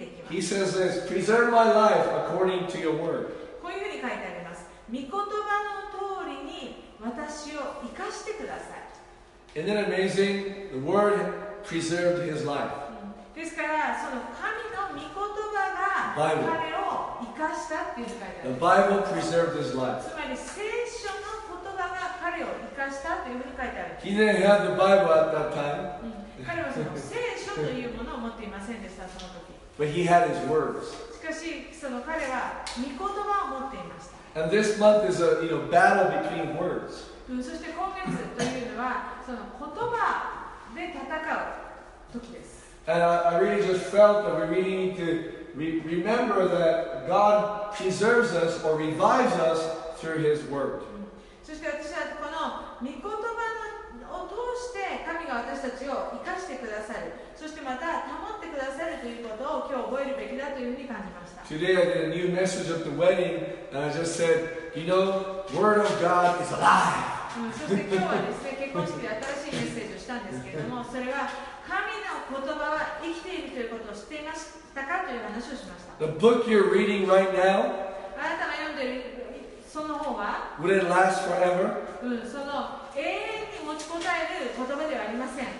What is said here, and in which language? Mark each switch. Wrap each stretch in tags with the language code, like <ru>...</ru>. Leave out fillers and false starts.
<en>He says this, preserve my life according to your word.</en> <ja>こういうふうに書いてあります。御言葉の通りに私を生かしてください。</ja> <en>Isn't it amazing? The word preserved his life.</en> <ja>ですからその神の御言葉が彼を生かしたって書いてあります。</ja> <en>The Bible preserved his life.</en> <ja>つまり聖書の言葉が彼を生かしたというふうに書いてあります。</ja> <en>He didn't have the Bible at that time.</en> <ja>彼はその聖書というものを持っていませんでしたその時。</ja> <en>But he had his words.</en> <ja>しかしその彼は御言葉を持っていました。</ja> <en>And this month is a you know, battle between words.</en> <ja>そして今月というのはその言葉で戦う時です。</ja> <en>And I really just felt that we really need to remember that God preserves us or revives us through His Word.</en> <ja>そして私はこの御言葉を通して神が私たちを生かしてくださる、そしてまた保ってくださるということを今日覚えるべきだというふうに感じました。</ja> <en>Today I did a new message at the wedding and I just said, you know, Word of God is alive.</en> <ja>そして今日はですね、結婚式で新しいメッセージをしたんですけれども、それは神の言葉は生きているということを知っていましたかという話をしました。</ja> <en>The book you're reading right now,</en> <ja>あなたが読んでいるその本は、</ja> <en>Would it last forever?</en> <ja>その永遠に持ちこたえる言葉ではありません。</ja>